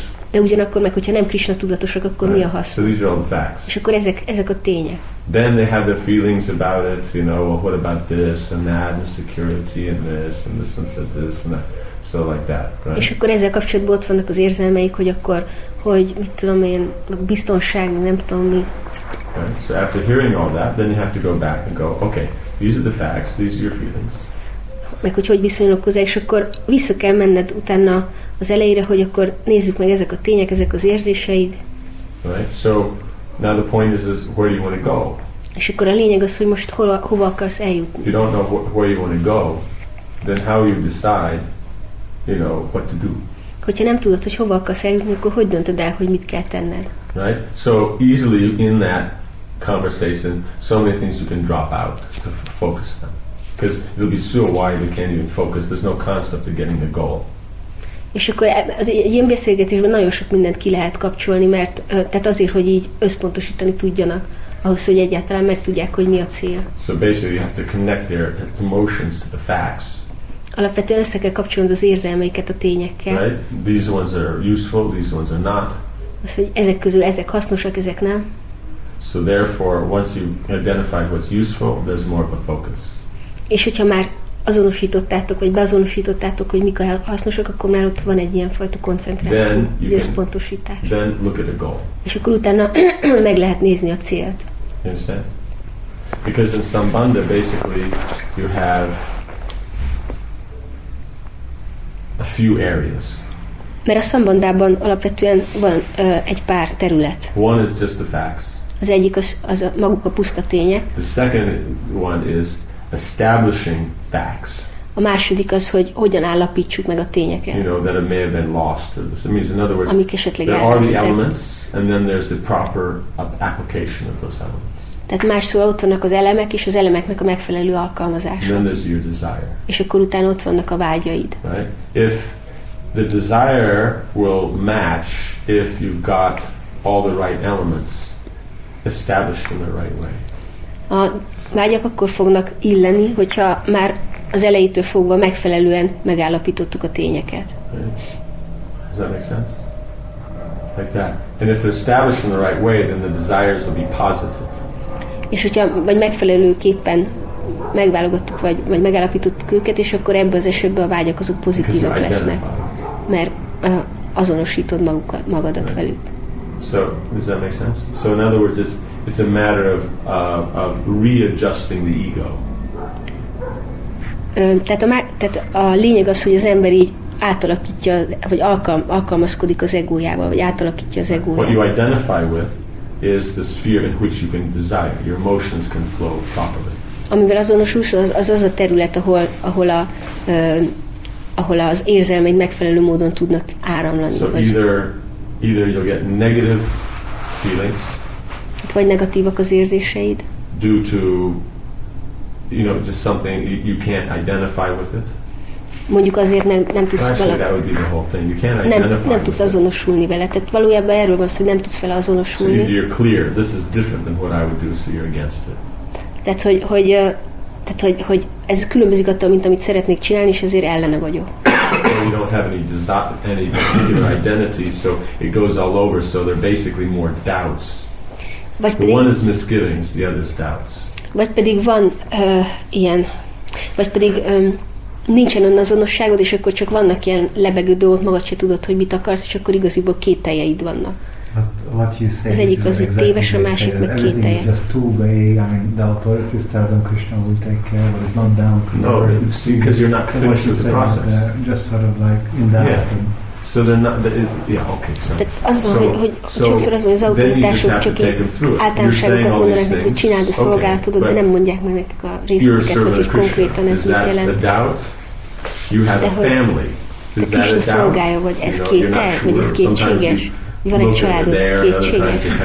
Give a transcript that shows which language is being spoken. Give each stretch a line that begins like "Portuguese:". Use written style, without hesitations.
Hungarian: De ugyanakkor meg, hogyha nem Krishna tudatosak, akkor
English: right.
Hungarian: mi a hasz?
English: So these are all the facts.
Hungarian: És akkor ezek, ezek a tények.
English: Then they have their feelings about it, you know, well, what about this and that and security and this one said this and that. So like that, right?
Hungarian: És akkor ezzel kapcsolatban ott vannak az érzelmeik, hogy akkor, hogy mit tudom én, biztonság, nem tudom mi.
English: Right. So after hearing all that, then you have to go back and go, okay, these are the facts, these are your feelings.
Hungarian: Meg hogy viszonyulok hozzá, és akkor vissza kell menned utána az elejére, hogy akkor nézzük meg ezek a tények, ezek az érzéseid.
English: Right. So now the point is where you want to go.
Hungarian: És akkor a lényeg az, hogy most hol, hova akarsz eljutni.
English: You don't know where you want to go, then how you decide, you know, what to do.
Hungarian: Hogyha nem tudod, hogy hova akarsz eljutni, akkor hogy döntöd el, hogy mit kell tenned?
English: Right? So easily in that conversation, so many things you can drop out to focus them. Because it'll be so wide you can't even focus. There's no concept of getting a goal.
Hungarian: És akkor az ilyen beszélgetésben nagyon sok mindent ki lehet kapcsolni, mert tehát azért, hogy így összpontosítani tudjanak, ahhoz, hogy egyáltalán megtudják, hogy mi a cél.
English: So basically you have to connect their emotions to the facts.
Hungarian: Alapvetően össze kell kapcsolni az érzelmeiket a tényekkel.
English: Right? These ones are useful, these ones are not.
Hungarian: Az, hogy ezek közül ezek hasznosak, ezek nem.
English: So therefore, once you identify what's useful, there's more of a focus.
Hungarian: És hogyha már azonosítottátok, vagy beazonosítottátok, hogy mik a hasznosak, akkor már ott van egy ilyen fajta koncentráció, összpontosítás.
English: Then look at the goal.
Hungarian: És akkor utána meg lehet nézni a célt.
English: You understand? Because in sambandha, basically, you have a few areas.
Hungarian: Mert a szambandában alapvetően van egy pár terület.
English: One is just the facts.
Hungarian: Az egyik az, az a maguk a puszta tények.
English: The second one is establishing facts.
Hungarian: A második az, hogy hogyan állapítsuk meg a tényeket.
English: You know, that it may have been lost. It means, in other words,
Hungarian: amik esetleg
English: there are the elements, and then there's the proper application of those elements.
Hungarian: Tehát más szóval ott vannak az elemek és az elemeknek a megfelelő alkalmazása.
English: Then there's your desire.
Hungarian: És akkor utána ott vannak a vágyaid.
English: Right? If the desire will match if you've got all the right elements established in the right way.
Hungarian: A vágyak akkor fognak illeni, hogyha már az elejétől fogva megfelelően megállapítottuk a tényeket.
English: Right. Does that make sense? Like that. And if they're established in the right way, then the desires will be positive.
Hungarian: És hogyha vagy megfelelőképpen megválogattuk, vagy, vagy megállapítottuk őket, és akkor ebben az esetben a vágyak azok pozitívak lesznek. Mert azonosítod magukat, magadat
English: right.
Hungarian: velük.
English: So, does that make sense? So in other words, it's a matter of readjusting the ego.
Hungarian: Tehát a lényeg az, hogy az ember így átalakítja, vagy alkalmazkodik az egójával, vagy átalakítja az egójával.
English: What you identify with is the sphere in which you can desire. Your emotions can flow properly.
Hungarian: Amivel azonosulsz, az, az az a terület, ahol, ahol, a, ahol az érzelmeid megfelelő módon tudnak áramlani.
English: So
Hungarian: vagy.
English: either you'll get negative feelings,
Hungarian: vagy negatívak az érzéseid,
English: due to, you know, just something you can't identify with it.
Hungarian: Mondjuk azért nem tudsz valami. Nem tudsz azonosulni vele. Tehát valójában erről van szó, hogy nem tudsz vele azonosulni.
English: So you're clear. This is different than what I would do, so you're against it.
Hungarian: Tehát, hogy ez különbözik attól, mint amit szeretnék csinálni, és ezért ellene vagyok.
English: So you don't have any particular identity, so it goes all over, so they're basically more doubts. One is misgivings, the other is doubts.
Hungarian: Vagy pedig van ilyen, vagy pedig nincsen önazonosságod, és akkor csak vannak ilyen lebegő dolgok, magad se tudod, hogy mit akarsz, és akkor igaziból kételjeid vannak.
English: What you say
Hungarian: az egyik az
English: exactly
Hungarian: téves, a másik meg kételje.
English: Everything is just too vague. I mean, the authorities tell them Krishna will take care, but it's not down to no, because you're not finished with the process. Just sort of like in that. Yeah. So they're not. They, yeah. Okay. So.
Hungarian: Tehát az van, hogy sokszor az van, hogy az autoritások csak általánosságokat mondanak, hogy csináld a szolgálatodat, de nem mondják meg nekik a részleteket, hogy konkrétan ez mit jelent.
English: You have a family. Is that a doubt?
Hungarian: Szolgája, vagy ez kétel, vagy ez kétséges. Van egy családod, ez kétséges.